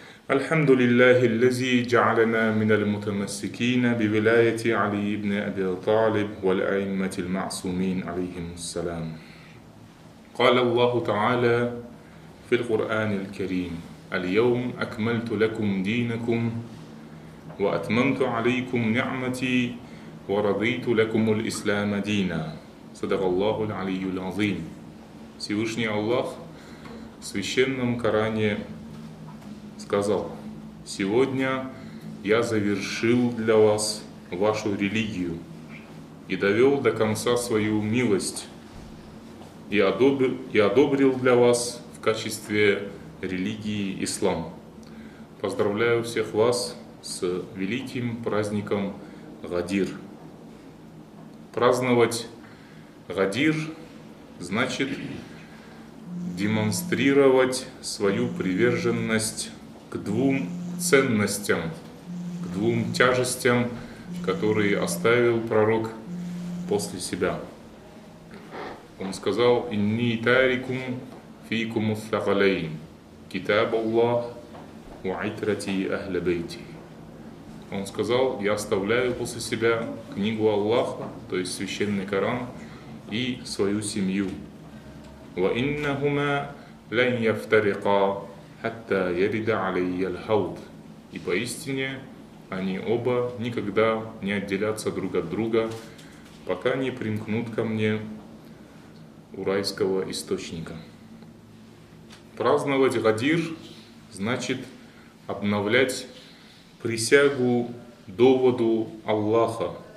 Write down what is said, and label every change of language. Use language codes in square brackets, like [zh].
[ar] الحمد لله الذي جعلنا من المتمسكين بولاية علي بن أبي طالب والأئمة المعصومين عليهم السلام. قال الله تعالى في القرآن الكريم: اليوم أكملت لكم دينكم وأتممت عليكم نعمتي ورضيت لكم الإسلام دينا. صدق الله العلي العظيم. [ru] Всевышний Аллах в священном Коране сказал: сегодня я завершил для вас вашу религию и довел до конца свою милость и одобрил для вас в качестве религии ислам. Поздравляю всех вас с великим праздником Гадир. Праздновать Гадир значит демонстрировать свою приверженность к двум ценностям, к двум тяжестям, которые оставил пророк после себя. Он сказал: [ar] «Инни тарикум فيكم الثقلين كتاب الله وعترتي أهل بيتي». [ru] Он сказал: я оставляю после себя книгу Аллаха, то есть священный Коран, и свою семью. [ar] وإنهما لن يفترقا حتى يرد علي الحوض. [ru] И поистине они оба никогда не отделятся друг от друга, пока не примкнут ко мне у райского источника. Праздновать Гадир значит обновлять присягу доводу Аллаха.